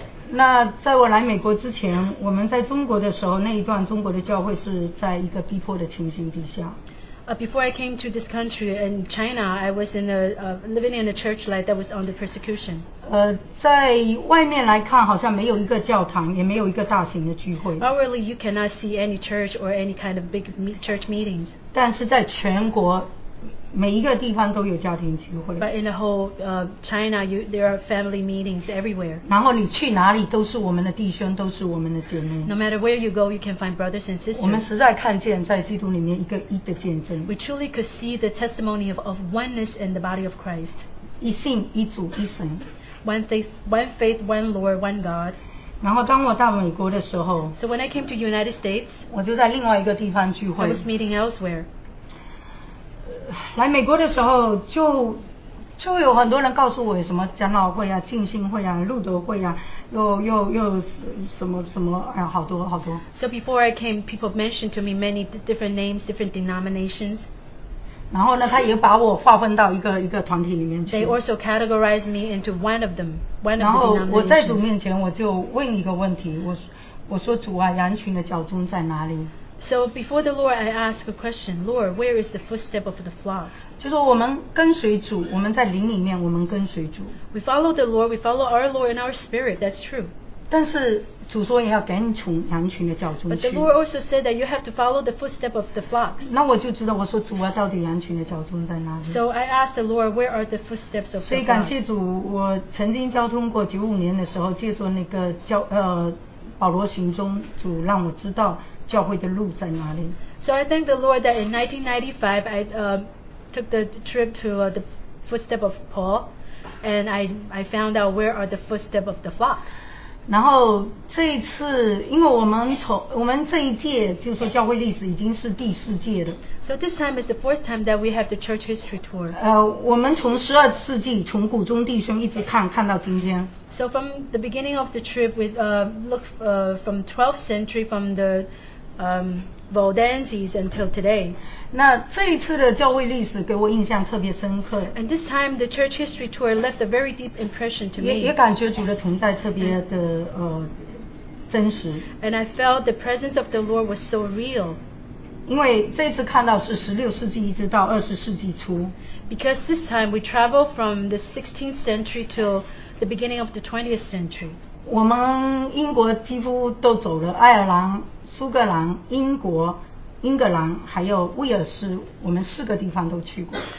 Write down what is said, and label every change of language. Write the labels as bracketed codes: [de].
[zh] 那在我来美国之前，我们在中国的时候，那一段中国的教会是在一个逼迫的情形底下。 [en] Before I came to this country in China, I was in living in a church like that was under persecution. [zh] 在外面来看，好像没有一个教堂，也没有一个大型的聚会。 [en] Outwardly, you cannot see any church or any kind of big church meetings. [zh] 但是在全国。每一个地方都有家庭聚会。 [en] But in the whole China, there are family meetings everywhere. [zh] 然后你去哪里都是我们的弟兄，都是我们的姐妹。 [en] No matter where you go, you can find brothers and sisters. [zh] 我们实在看见在基督里面一个一的见证。 [en] We truly could see the testimony of oneness in the body of Christ. [zh] 一信一主一神。 [en] One faith, one Lord, one God. [zh] 然后当我到美国的时候。 [en] So when I came to United States, [zh] 我就在另外一个地方聚会。 [en] I was meeting elsewhere. [zh] 来美国的时候就有很多人告诉我什么长老会啊浸信会啊路德会啊又什么什么、啊、好多好多 [en] So before I came people mentioned to me many different names different denominations [zh] 然后呢他也把我划分到一个团体里面去 [en] They also categorized me into one of them one of the denominations [zh] 然后我在主面前我就问一个问题 我说主啊羊群的脚踪在哪里 [en] So before the Lord, I ask a question. Lord, where is the footstep of the flock? [zh] 就说我们跟随主，我们在灵里面，我们跟随主。 [en] We follow the Lord. We follow our Lord in our spirit. That's true. [zh] 但是主说也要赶从羊群的脚中去。 [en] But the Lord also said that you have to follow the footstep of the flocks. [zh] 那我就知道，我说主啊，到底羊群的脚中在哪里 [en] ？So I asked the Lord, where are the footsteps of the flocks? [zh] 所以感谢主，我曾经交通过1995年的时候，借着那个教保罗行踪，主让我知道。教会的路在哪里 [en] So I thank the Lord that in 1995 I took the trip to the footstep of Paul and I found out where are the footstep of the flocks [zh] 然后这一次因为我们这一届就是说教会历史已经是第四届了 [en] So this time is the fourth time that we have the church history tour [zh] 我们从12世纪从古中弟兄一直看到今天 [en] So from the beginning of the trip we look from 12th century from theVaudenses until today. [zh] 那这一次的教会历史给我印象特别深刻。 [en] And this time the church history tour left a very deep impression to me. [zh] 也感觉主的同在特别的真实。 [en] And I felt the presence of the Lord was so real. [zh] 因为这次看到是16世纪一直到20世纪初。 [en] Because this time we travel from the 16th century to the beginning of the 20th century. [zh] 我们英国几乎都走了，爱尔兰、苏格兰、英国、英格兰，还有威尔士，我们四个地方都去过。